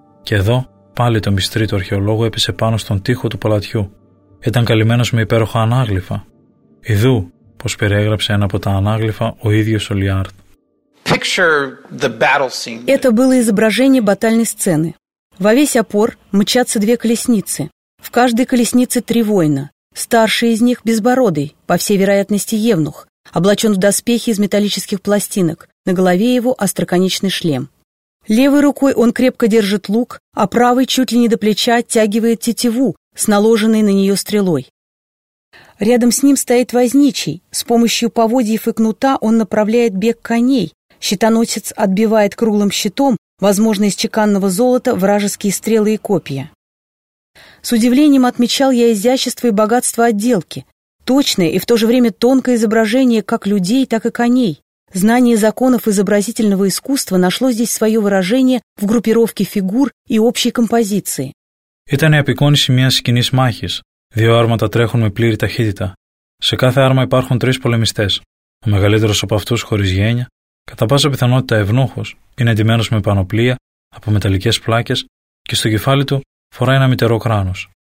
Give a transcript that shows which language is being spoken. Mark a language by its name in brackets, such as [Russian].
[Greek] Και εδώ, πάλι το μυστήρι του αρχαιολόγου έπεσε πάνω στον τοίχο του παλατιού. Ήταν καλυμμένος με υπέροχα ανάγλυφα. Ιδού, πως περιέγραψε ένα από τα ανάγλυφα ο ίδιος ο Λίαρντ. [Russian] Это было изображение батальной сцены. Во весь опор мчатся две колесницы. В каждой колеснице три воина. Старший из них безбородый, по всей вероятности евнух, облачен в доспехи из металлических пластинок. На голове его остроконечный шлем. Левой рукой он крепко держит лук, а правой чуть ли не до плеча оттягивает тетиву с наложенной на нее стрелой. Рядом с ним стоит возничий. С помощью поводьев и кнута он направляет бег коней. Щитоносец отбивает круглым щитом, возможно, из чеканного золота, вражеские стрелы и копья. С удивлением отмечал я изящество и богатство отделки. Точное и в то же время тонкое изображение как людей, так и коней. Знание законов изобразительного искусства нашло здесь свое выражение в группировке фигур и общей композиции. [Greek] Ήταν η απεικόνιση μιας σκηνής μάχης. Δύο άρματα τρέχουν με πλήρη ταχύτητα. Σε κάθε άρμα υπάρχουν τρεις πολεμιστές. Ο μεγαλύτερος από αυτούς χωρίς γένια, κατά πάσα πιθανότητα ευνούχος, είναι εντυμένος με πανοπλία από μεταλλικές πλάκες και στο κεφάλι του φοράει ένα μυτερό κράνος.